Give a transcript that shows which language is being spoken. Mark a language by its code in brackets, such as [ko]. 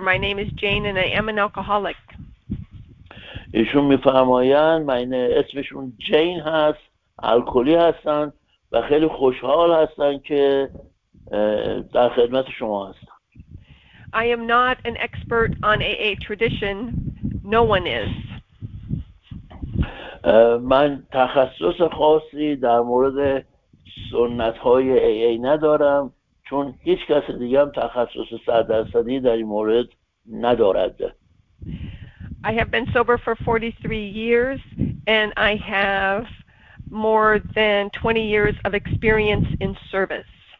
[en] My name is Jane and I am an alcoholic. [fa] ایشون می‌فرمایند من اسمشون جین هست، الکلی هستن و خیلی خوشحال هستن که در خدمت شما هستن. [en] I am not an expert on AA tradition. No one is. [fa] من تخصص خاصی در مورد سنت‌های AA ندارم، چون هیچ کس دیگه هم تخصص 100% در این مورد ندارد. [en] I have been sober for 43 years and I have more than 20 years of experience in service.